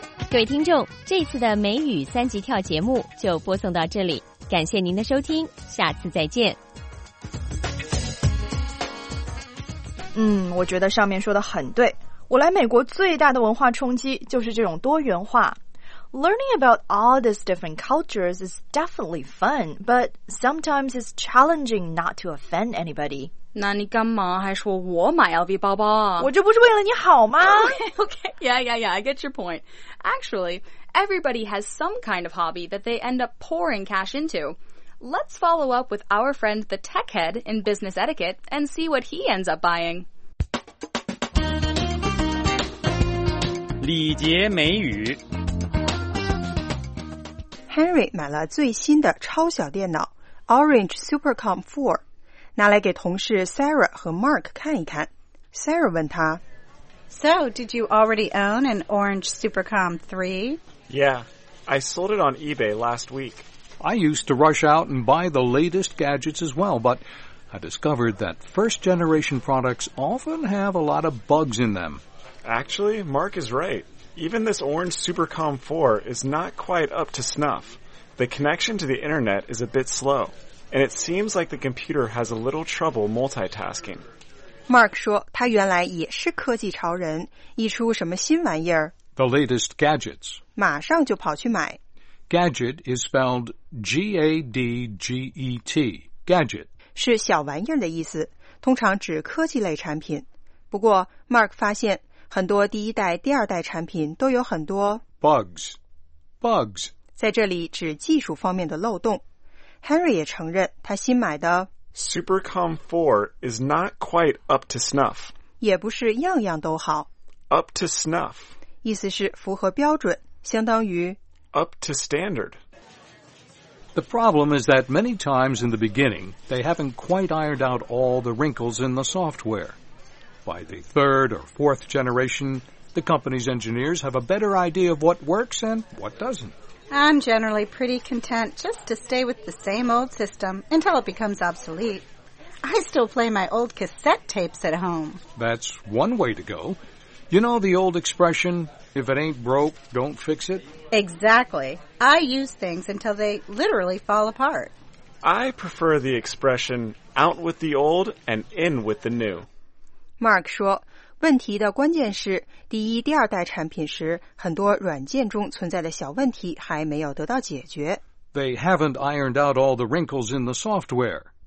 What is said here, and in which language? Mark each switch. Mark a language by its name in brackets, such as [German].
[Chinese] 各位听众，这次的美语三级跳节目就播送到这里，感谢您的收听，下次再见。嗯，我觉得上面说的很对。我来美国最大的文化冲击就是这种多元化。 [English] Learning about all these different cultures is definitely fun, but sometimes it's challenging not to offend anybody. [Chinese] 那你干嘛还说我买 LV 包包啊？我这不是为了你好吗？ [English] Okay, yeah, I get your point. Actually, everybody has some kind of hobby that they end up pouring cash into. Let's follow up with our friend the tech head in business etiquette and see what he ends up buying. [Chinese] 礼节美语 Henry 买了最新的超小电脑 Orange Supercom 4，拿来给同事 Sarah 和 Mark 看一看。Sarah 问他 [English] So, did you already own an Orange Supercom 3? Yeah, I sold it on eBay last week. I used to rush out and buy the latest gadgets as well, but I discovered that first-generation products often have a lot of bugs in them. Actually, Mark is right. Even this Orange Supercom 4 is not quite up to snuff. The connection to the internet is a bit slow, and it seems like the computer has a little trouble multitasking. [Chinese] Mark 说他原来也是科技潮人，一出什么新玩意儿 [English] The latest gadgets. [Chinese] 马上就跑去买。 [English] Gadget is spelled G-A-D-G-E-T, gadget. [Chinese] 是小玩意儿的意思，通常指科技类产品。不过 ,Mark 发现很多第一代、第二代产品都有很多 [English] bugs. [Chinese] 在这里指技术方面的漏洞。 Henry 也承认他新买的 [English] Supercom 4 is not quite up to snuff. [Chinese] 也不是样样都好。 [English] Up to snuff. [Chinese] 意思是符合标准，相当于 [English] Up to standard. The problem is that many times in the beginning, they haven't quite ironed out all the wrinkles in the software. By the third or fourth generation, the company's engineers have a better idea of what works and what doesn't. I'm generally pretty content just to stay with the same old system until it becomes obsolete. I still play my old cassette tapes at home. That's one way to go. You know the old expression... If it ain't broke, don't fix it? Exactly. I use things until they literally fall apart. I prefer the expression, out with the old and in with the new. [Chinese] Mark 说，问题的关键是，第一、第二代产品时，很多软件中存在的小问题还没有得到解决。 [English] They haven't ironed out all the wrinkles in the software.